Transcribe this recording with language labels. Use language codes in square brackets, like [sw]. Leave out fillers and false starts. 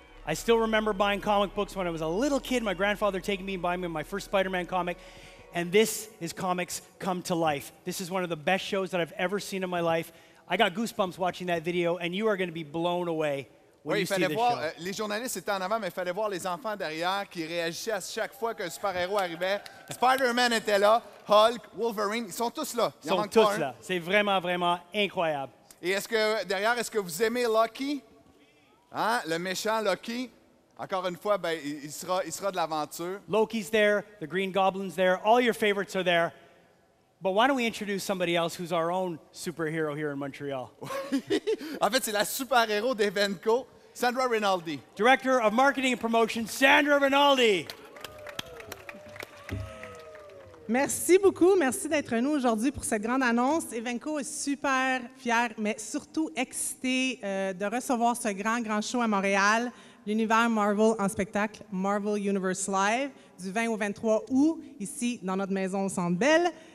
[en] I still remember buying comic books when I was a little kid, my grandfather taking me and buying me my first Spider-Man comic, and this is comics come to life. This is one of the best shows that I've ever seen in my life. I got goosebumps watching that video, and you are going to be blown away. [fr] Oui, il fallait voir, les journalistes étaient en avant, mais il fallait voir les enfants derrière qui réagissaient à chaque fois qu'un super-héros arrivait. Spider-Man était là, Hulk, Wolverine, ils sont tous là. C'est vraiment, vraiment incroyable. Et est-ce que derrière, est-ce que vous aimez Loki? Hein? Le méchant Loki? Encore une fois, ben, il sera de l'aventure. [en] Loki's there, the Green Goblin's there, all your favorites are there. But why don't we introduce somebody else who's our own superhero here in Montreal? [fr] En fait, c'est la super-héros d'Evenco, Sandra Rinaldi. [en] Director of Marketing and Promotion, Sandra Rinaldi. [fr] Merci beaucoup. Merci d'être nous aujourd'hui pour cette grande annonce. Evenco est super fier, mais surtout excité de recevoir ce grand, grand show à Montréal, l'univers Marvel en spectacle, Marvel Universe Live, du 20 au 23 août, ici, dans notre maison au Centre Bell.